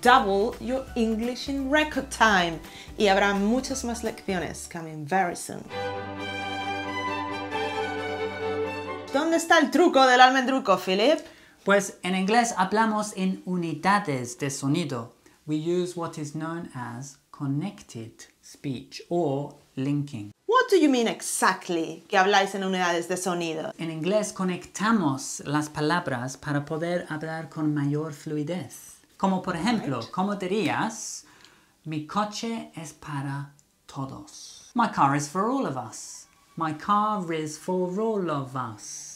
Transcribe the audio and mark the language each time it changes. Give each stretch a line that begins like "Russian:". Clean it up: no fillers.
English: Double your English in record time
Spanish: y habrá muchas más lecciones
English: coming very soon.
Spanish: ¿Dónde está el truco del almendruco, Philip? Pues en inglés hablamos en unidades de sonido.
English: We use what is known as connected speech or linking. What do you mean exactly
Spanish: que habláis en unidades de sonido? En inglés conectamos las palabras para poder hablar con mayor fluidez. Como por ejemplo, right. ¿Cómo dirías? Mi coche es para todos.
English: My car is for all of us. My car is for all of us.